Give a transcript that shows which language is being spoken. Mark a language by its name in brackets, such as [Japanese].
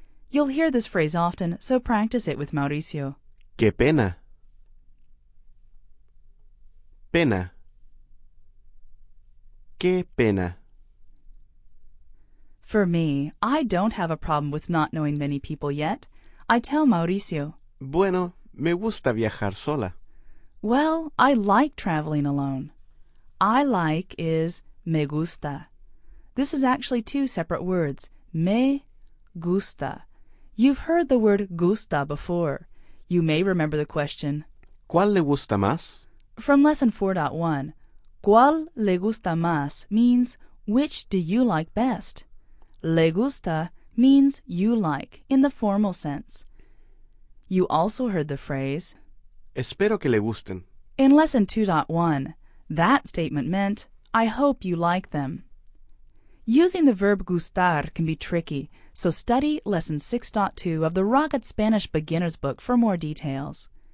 [English] You'll hear this phrase often, so practice it with Mauricio. [Spanish] Qué pena. Pena. Qué pena. [English] For me, I don't have a problem with not knowing many people yet. I tell Mauricio. [Spanish] Bueno, me gusta viajar sola. [English] Well, I like traveling alone. I like is [Spanish] me gusta. [English] This is actually two separate words. [Spanish] Me gusta. [English] You've heard the word gusta before. You may remember the question. [Spanish] ¿Cuál le gusta más? [English] From lesson 4.1. [Spanish] ¿Cuál le gusta más [English] means which do you like best? Le gusta means you like, in the formal sense. You also heard the phrase, [Spanish] espero que le gusten. [English] In lesson 2.1, that statement meant, I hope you like them. Using the verb gustar can be tricky, so study lesson 6.2 of the Rocket Spanish Beginner's Book for more details.